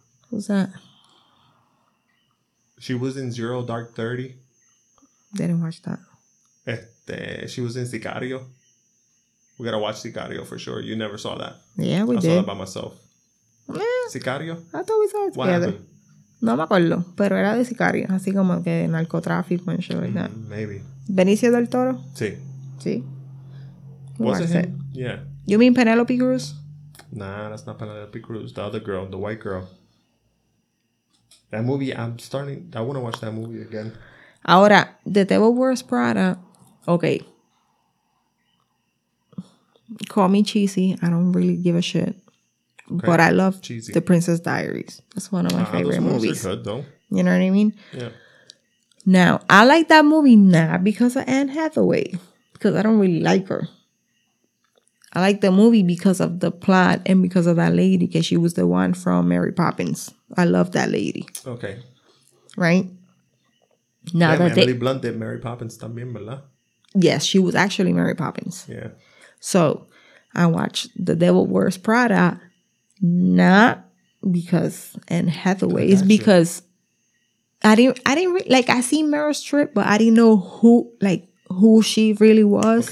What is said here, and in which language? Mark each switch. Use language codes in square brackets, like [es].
[en] Who's that? She was in Zero Dark 30. Didn't watch that. She was in Sicario. We gotta watch Sicario for sure. You never saw that. Yeah, we did. I saw that by myself. Yeah. Sicario? I thought we saw it together. What? [es] No me acuerdo, pero era de sicario, así como que de narcotráfico [en] and shit like that. Maybe. Benicio del Toro? [es] Sí. Sí. [en] Was it him? Yeah. You mean Penelope Cruz? Nah, that's not Penelope Cruz. The other girl, the white girl. That movie, I want to watch that movie again. [es] Ahora, [en] The Devil Wears Prada, okay. Call me cheesy, I don't really give a shit. Okay. But I love Cheesy. The Princess Diaries. That's one of my favorite movies. Those movies are good, though. You know what I mean? Yeah. Now, I like that movie not because of Anne Hathaway. Because I don't really like her. I like the movie because of the plot and because of that lady. Because she was the one from Mary Poppins. I love that lady. Okay. Right? Now yeah, that Emily Blunt did Mary Poppins [es] también, ¿verdad? [en] Yes, she was actually Mary Poppins. Yeah. So I watched The Devil Wears Prada, not because Anne Hathaway, it's because I didn't I seen Meryl Streep, but I didn't know who she really was.